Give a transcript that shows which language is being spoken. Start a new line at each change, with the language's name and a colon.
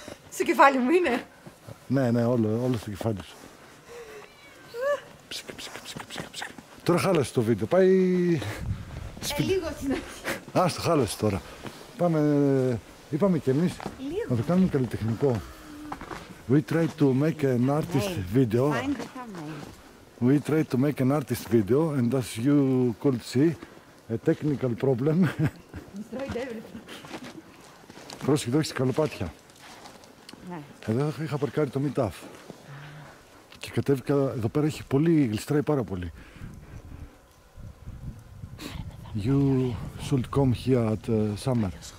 Greek: Στο κεφάλι μου είναι. Ναι, ναι, όλο στο κεφάλι σου. Ψυκ. Τώρα χάλασε το βίντεο. Πάει. Λίγο στην αρχή. Α, το χάλασε τώρα. Πάμε. Είπαμε κι εμείς να το κάνουμε καλλιτεχνικό.
English: We try to make an artist video. We try to make an artist video and as you could see, a technical problem. Destroyed everything.
Greek: Πρόσεχε, εδώ έχεις καλοπάτια.
English: Yeah.
Greek: Εδώ είχα παρκάρει το Μιτάφ. Και κατέβηκα, εδώ πέρα έχει πολύ, γλιστράει πάρα πολύ.
English: You should come here at summer.